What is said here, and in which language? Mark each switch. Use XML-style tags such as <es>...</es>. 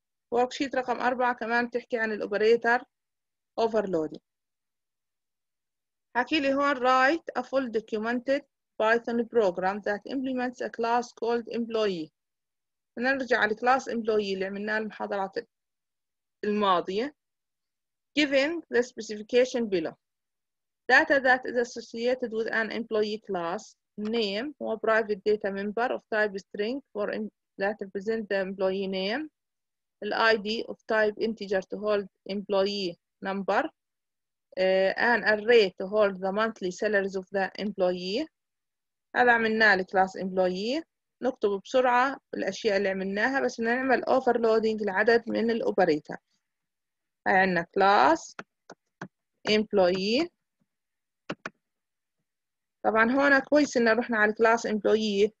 <ar>ووركشيت رقم أربعة كمان بتحكي عن الأوبريتر overloading. حكي لي هون</ar> <en>write a full documented Python program that implements a class called employee. نرجع على class employee اللي عملناه المحاضرات الماضية. Given the specification below, data that is associated with an employee class name or private data member of type string for that represent the employee name, the ID of type integer to hold employee number, an array to hold the monthly salaries of the employee.</en> <ar>هذا عملنا لكلاس employee. نكتب بسرعة الأشياء اللي عملناها بس نعمل overloading العدد من الأوبريتر. هاي عنا class employee. طبعا هون كويس إن رحنا على class employee.</ar>